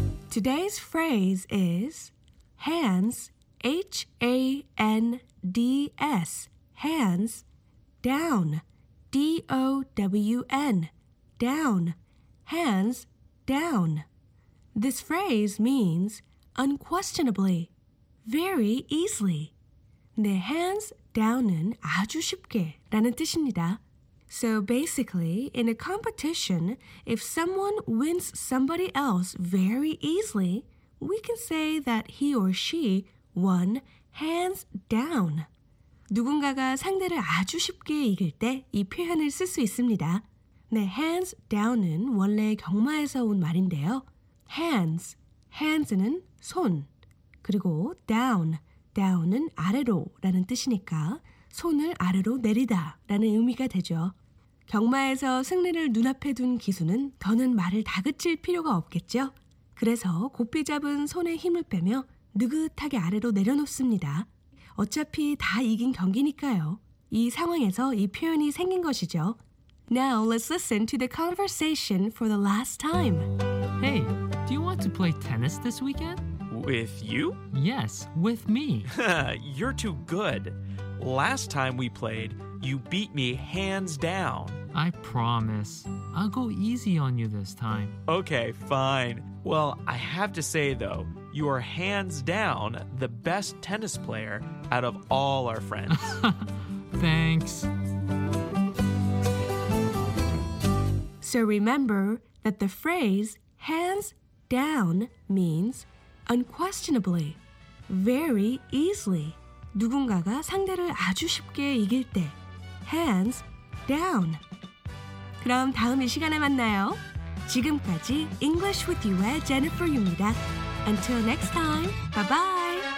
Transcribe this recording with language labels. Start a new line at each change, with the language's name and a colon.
English: Today's phrase is hands, H-A-N-D-S, hands down, D-O-W-N, down, hands down. This phrase means unquestionably, very easily.
Korean: 네, hands down은 아주 쉽게 라는 뜻입니다.
English: So basically, in a competition, if someone wins somebody else very easily, we can say that he or she won hands down.
Korean: 누군가가 상대를 아주 쉽게 이길 때 이 표현을 쓸 수 있습니다. 네, hands down은 원래 경마에서 온 말인데요. Hands, hands는 손, 그리고 down, down은 아래로라는 뜻이니까 손을 아래로 내리다라는 의미가 되죠. 경마에서 승리를 눈앞에 둔 기수는 더는 말을 다그칠 필요가 없겠죠. 그래서 고삐 잡은 손의 힘을 빼며 느긋하게 아래로 내려놓습니다. 어차피 다 이긴 경기니까요. 이 상황에서 이 표현이 생긴 것이죠.
English: Now let's listen to the conversation for the last time. Hey, do you want to play tennis this weekend? With you? Yes, with me. You're too good. Last time we played, you beat me hands down. I promise. I'll go easy on you this time. Okay, fine. Well, I have to say, though, you are hands down the best tennis player out of all our friends. Thanks. So remember that the phrase hands down means unquestionably, very easily.
Korean: 누군가가 상대를 아주 쉽게 이길 때 hands down. 그럼 다음 이 시간에 만나요. 지금까지 English with You의 제니퍼입니다.
English: Until next time, bye-bye.